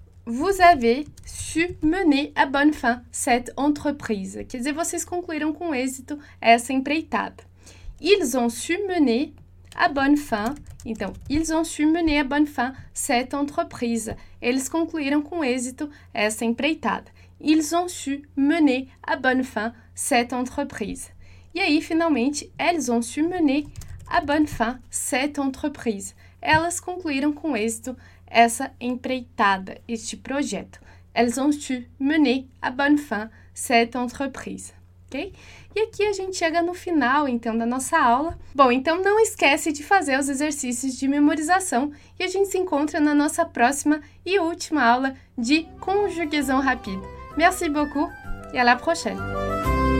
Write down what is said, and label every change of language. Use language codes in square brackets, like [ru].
[fr] Vous avez su mener à bonne fin cette entreprise. [pt] Quer dizer, vocês concluíram com êxito essa empreitada. [fr] Ils ont su mener à bonne fin. Então, ils ont su mener à bonne fin cette entreprise. [pt] Eles concluíram com êxito essa empreitada. [fr] Ils ont su mener à bonne fin cette entreprise. [pt] E aí, finalmente, [fr] elles ont su mener à bonne fin cette entreprise. [pt] Elas concluíram com êxito essa empreitada, este projeto. [fr] Elles ont su mener à bonne fin cette entreprise. [pt] Ok? E aqui a gente chega no final, então, da nossa aula. Bom, então não esquece de fazer os exercícios de memorização e a gente se encontra na nossa próxima e última aula de conjugação rápida. [fr] Merci beaucoup et à la prochaine!